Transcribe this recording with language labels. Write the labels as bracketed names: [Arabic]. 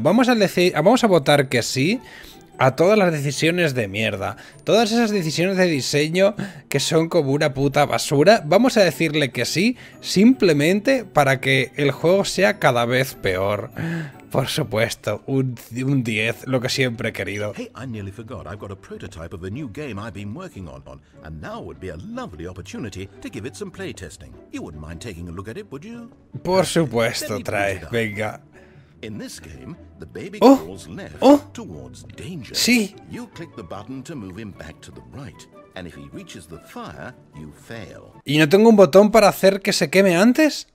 [Spanish] Vamos a votar que sí a todas las decisiones de mierda. Todas esas decisiones de diseño que son como una puta basura. Vamos a decirle que sí simplemente para que el juego sea cada vez peor. Por supuesto, un 10, lo que siempre he querido. [English] Hey, I nearly forgot. I've got a prototype of a new game I've been working on. And now would be a lovely opportunity to give it some playtesting. You wouldn't mind taking a look at it, would you? [Spanish] Por supuesto, trae. Venga. [English] In this game, the baby crawls left towards danger. [Spanish] Sí. [English] You click the button to move him back to the right. And if he reaches the fire, you fail. [Spanish] ¿Y no tengo un botón para hacer que se queme antes?